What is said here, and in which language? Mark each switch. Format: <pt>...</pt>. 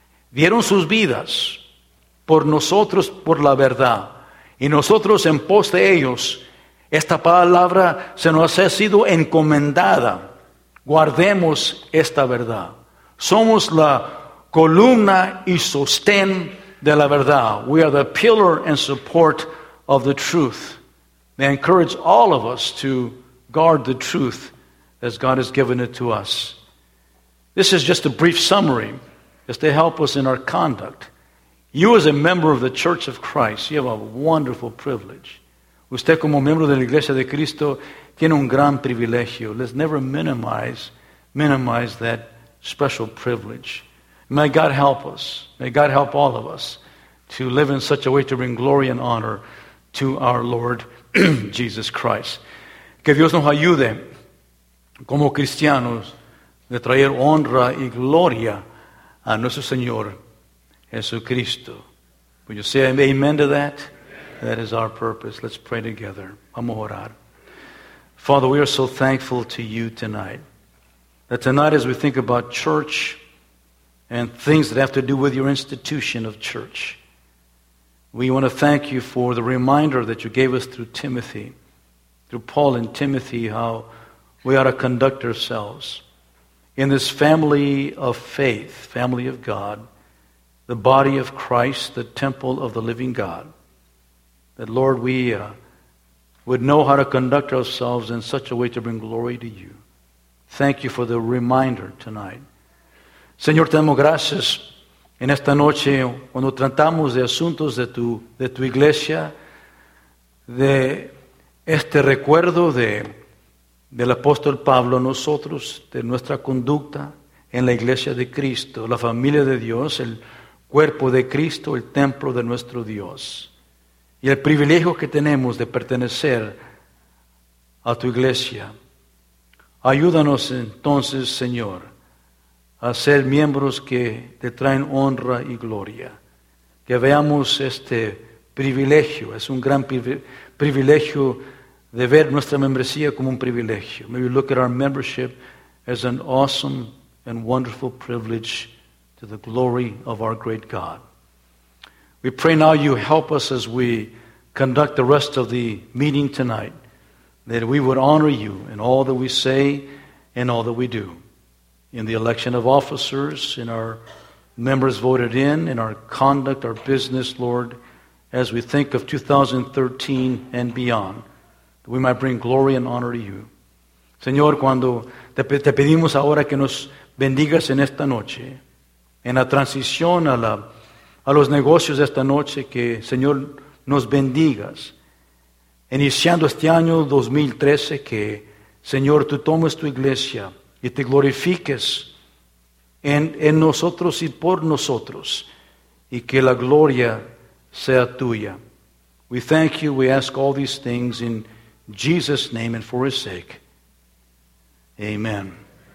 <es>Dieron sus vidas por nosotros, por la verdad. Y nosotros, en pos de ellos, esta palabra se nos ha sido encomendada. Guardemos esta verdad. Somos la columna y sostén de la verdad.</es> <en>We are the pillar and support of the truth. May I encourage all of us to guard the truth as God has given it to us. This is just a brief summary just to help us in our conduct. You as a member of the Church of Christ, you have a wonderful privilege.</en> <es>Usted como miembro de la Iglesia de Cristo tiene un gran privilegio.</es> <en>Let's never minimize that special privilege. May God help us. May God help all of us to live in such a way to bring glory and honor to our Lord Jesus Christ.</en> <es>Que Dios nos ayude como cristianos de traer honra y gloria a nuestro Señor Jesucristo.</es> <en>Would you say amen to that? Amen. That is our purpose. Let's pray together.</en> <es>Vamos a orar.</es> <en>Father, we are so thankful to you tonight. That tonight as we think about church and things that have to do with your institution of church, we want to thank you for the reminder that you gave us through Timothy, through Paul and Timothy, how we ought to conduct ourselves in this family of faith, family of God, the body of Christ, the temple of the living God, that, Lord, we would know how to conduct ourselves in such a way to bring glory to you. Thank you for the reminder tonight.</en> <es>Señor, te damos gracias en esta noche cuando tratamos de asuntos de tu iglesia, de este recuerdo del apóstol Pablo, nosotros, de nuestra conducta en la iglesia de Cristo, la familia de Dios, el cuerpo de Cristo, el templo de nuestro Dios. Y el privilegio que tenemos de pertenecer a tu iglesia. Ayúdanos entonces, Señor, a ser miembros que te traen honra y gloria. Que veamos este privilegio. Es un gran privilegio de ver nuestra membresía como un privilegio.</es> <en>May we look at our membership as an awesome and wonderful privilege to the glory of our great God. We pray now you help us as we conduct the rest of the meeting tonight, that we would honor you in all that we say and all that we do, in the election of officers, in our members voted in our conduct, our business, Lord, as we think of 2013 and beyond, that we might bring glory and honor to you.</en> <es>Señor, cuando te pedimos ahora que nos bendigas en esta noche, en la transición a los negocios de esta noche, que, Señor, nos bendigas, iniciando este año 2013, que, Señor, tú tomes tu iglesia y te glorifiques en nosotros y por nosotros, y que la gloria sea tuya.</es> <en>We thank you, we ask all these things in Jesus' name and for his sake. Amen.</en>